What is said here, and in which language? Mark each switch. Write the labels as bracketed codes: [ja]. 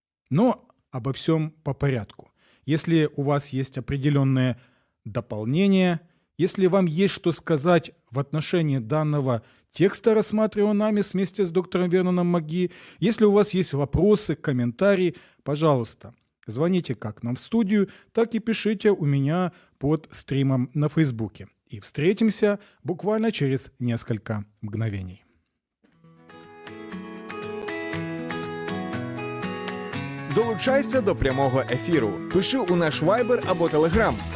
[ru] Но обо всем по порядку. Если у вас есть определенные дополнения, если вам есть что сказать в отношении данного текста, рассматриваемого нами вместе с доктором Верноном Маги, если у вас есть вопросы, комментарии, пожалуйста, звоните как нам в студию, так и пишите у меня под стримом на Фейсбуке. И встретимся буквально через несколько мгновений. [uk] Долучайся до прямого ефіру. Пиши у наш Viber або Telegram.